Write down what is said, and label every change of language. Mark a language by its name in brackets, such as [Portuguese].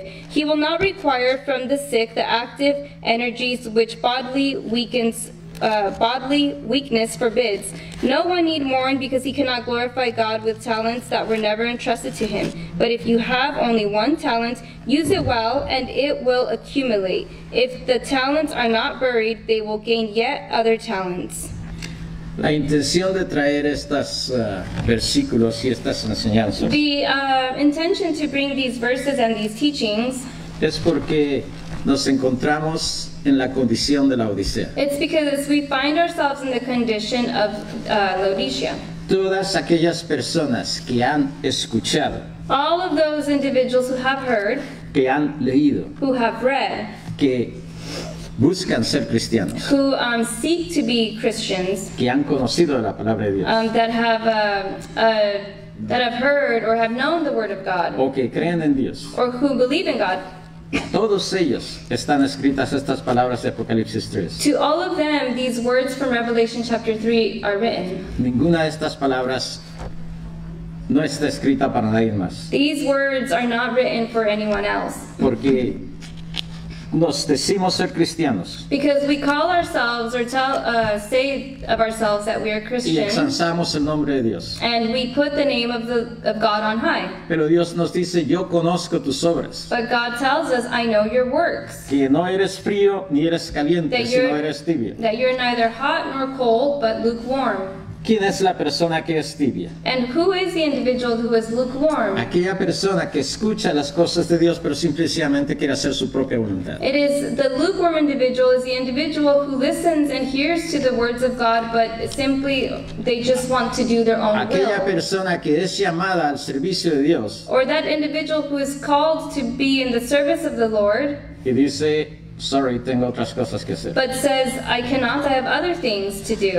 [English] He will not require from the sick the active energies which bodily weakness forbids. No one need mourn because he cannot glorify God with talents that were never entrusted to him. But if you have only one talent, use it well, and it will accumulate. If the talents are not buried, they will gain yet other talents. [Spanish] La intención de traer estos versículos y estas enseñanzas. [English] The intention to bring these verses and these teachings [Spanish] es porque nos encontramos en la condición de la Odisea. [English] It's because we find ourselves in the condition of Laodicea. [Spanish] Todas aquellas personas que han escuchado, [English] all of those individuals who have heard, [Spanish] que han leído, [English] who have read, [Spanish] que buscan ser cristianos, [English] who seek to be Christians, [Spanish] que han conocido la palabra de Dios, [English] that have heard or have known the word of God, [Spanish] o que creen en Dios, [English] or who believe in God. [Spanish] Todos ellos están escritas estas palabras de Apocalipsis 3. [English] To all of them, these words from Revelation chapter 3 are written. [Spanish] Ninguna de estas palabras no está escrita para nadie más. [English] These words are not written for anyone else. [Spanish] Porque nos decimos ser cristianos. [English] Because we call ourselves or say of ourselves that we are Christians. [Spanish] Y ensalzamos el nombre de Dios. [English] And we put the name of God on high. [Spanish] Pero Dios nos dice, yo conozco tus obras. [English] But God tells us, I know your works. [Spanish] Que no eres frío ni eres caliente, sino eres tibio. [English] That you're neither hot nor cold, but lukewarm. [Spanish] ¿Quién es la persona que es tibia? [English] And who is the individual who is lukewarm? [Spanish] Aquella persona que escucha las cosas de Dios pero simplemente quiere hacer su propia voluntad. [English] It is the lukewarm individual is the individual who listens and hears to the words of God but simply they just want to do their own [Spanish] aquella [English] will. [Spanish] Persona que es llamada al servicio de Dios. [English] Or that individual who is called to be in the service of the Lord. [Spanish] Y dice, sorry, tengo otras cosas que hacer. [English] But says, I cannot, I have other things to do.